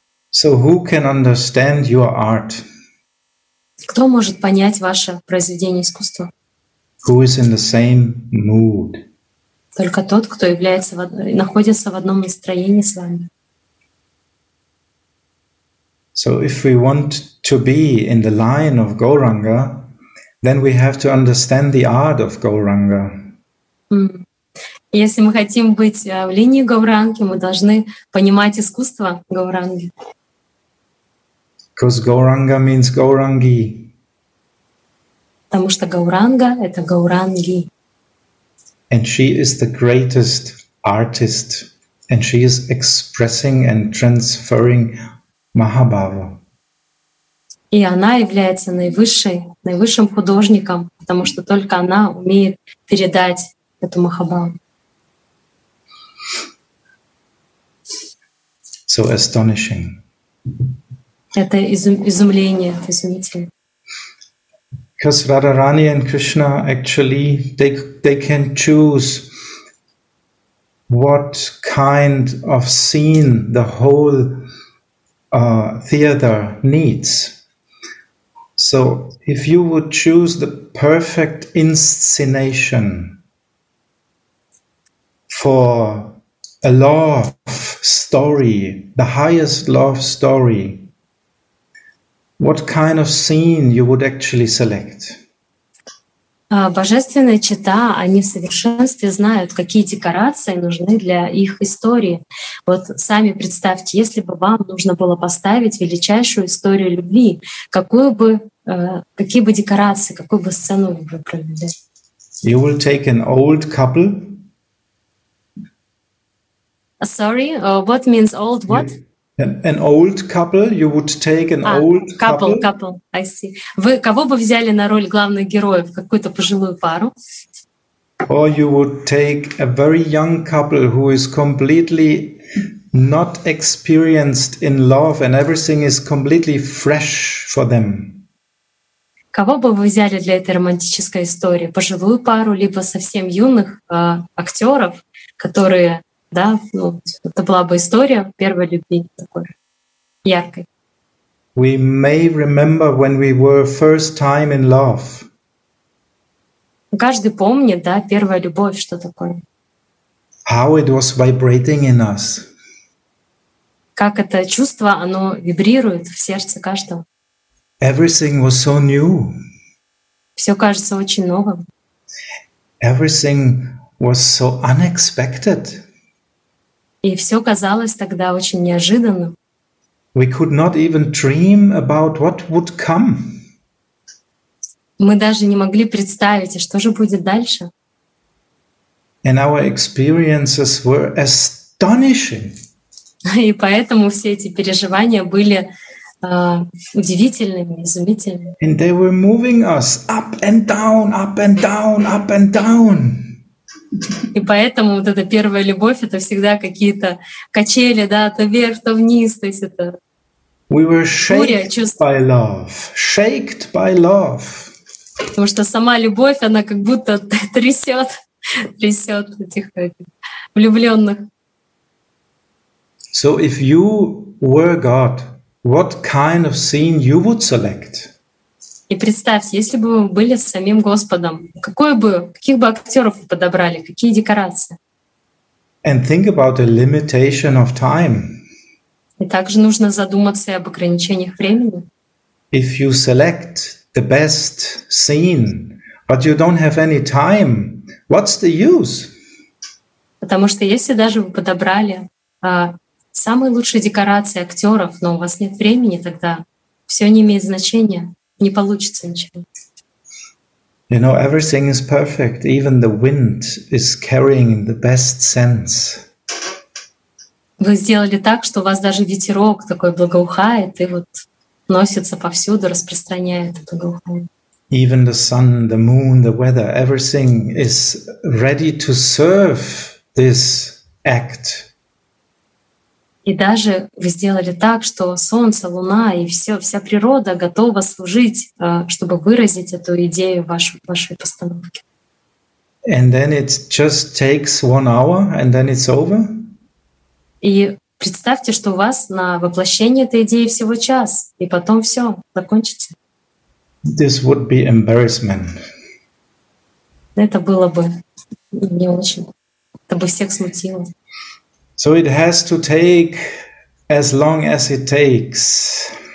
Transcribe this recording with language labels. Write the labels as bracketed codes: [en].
[en] So who can understand your art? [ru] Кто может понять ваше произведение искусства? [en] Who is in the same mood? [ru] Только тот, кто является находится в одном настроении с вами. [en] So if we want to be in the line of Gauranga, then we have to understand the art of Gauranga. [ru] Если мы хотим быть в линии Гауранги, мы должны понимать искусство Гауранги. [en] Because Gauranga means Gaurangi. [ru] Потому что Гауранга — это Гауранги. [en] And she is the greatest artist, and she is expressing and transferring Mahabhava. [ru] И она является наивысшим художником, потому что только она умеет передать эту Махабхаву. [en] So astonishing. [ru] Это изумление, изумительно. [en] Because Radharani and Krishna actually they can choose what kind of scene the whole theater needs. So if you would choose the perfect inscenation for a love story, the highest love story, what kind of scene you would actually select? [ru] Божественные чита, они в совершенстве знают, какие декорации нужны для их истории. Вот сами представьте, если бы вам нужно было поставить величайшую историю любви, какие бы декорации, какую бы сцену вы бы провели? [en] You will take an old couple. Sorry, what means old what? An old couple, you would take an old couple. Couple, I see. [ru] Вы кого бы взяли на роль главных героев, какую-то пожилую пару? [en] Or you would take a very young couple who is completely not experienced in love and everything is completely fresh for them. [ru] Кого бы вы взяли для этой романтической истории? Пожилую пару, либо совсем юных актеров, которые... Да, ну, это была бы история первой любви такой яркой. [en] We may remember when we were first time in love. [ru] Каждый помнит, да, первая любовь, что такое. [en] How it was vibrating in us. [ru] Как это чувство, оно вибрирует в сердце каждого. [en] Everything was so new. [ru] Все кажется очень новым. [en] Everything was so unexpected. [ru] И все казалось тогда очень неожиданным. [en] We could not even dream about what would come. [ru] Мы даже не могли представить, что же будет дальше. [en] And our experiences were astonishing. [ru] И поэтому все эти переживания были удивительными, изумительными. [en] And they were moving us up and down, up and down, up and down. [ru] И поэтому вот эта первая любовь — это всегда какие-то качели, да, то вверх, то вниз, то есть это буря чувств. [en] By love. Shaked by love. [ru] Потому что сама любовь, она как будто трясёт, трясёт этих влюблённых. [en] So if you were God, what kind of scene you would select? [ru] И представьте, если бы вы были с самим Господом, каких бы актеров вы подобрали, какие декорации? [en] And think about the limitation of time. [ru] И также нужно задуматься и об ограничениях времени. [en] If you select the best scene, but you don't have any time, what's the use? [ru] Потому что если даже вы подобрали самые лучшие декорации актеров, но у вас нет времени, тогда все не имеет значения. Не получится ничего. [en] You know, everything is perfect. Even the wind is carrying the best sense. [ru] Вы сделали так, что у вас даже ветерок такой благоухает и вот носится повсюду, распространяет это благоухание. [en] Even the sun, the moon, the weather, everything is ready to serve this act. [ru] И даже вы сделали так, что солнце, луна и вся природа готова служить, чтобы выразить эту идею вашей постановки. [en] And then it just takes 1 hour and then it's over. [ru] И представьте, что у вас на воплощение этой идеи всего час, и потом все, закончите. [en] This would be embarrassment. [ru] Это было бы не очень. Это бы всех смутило. [en] So it has to take as long as it takes.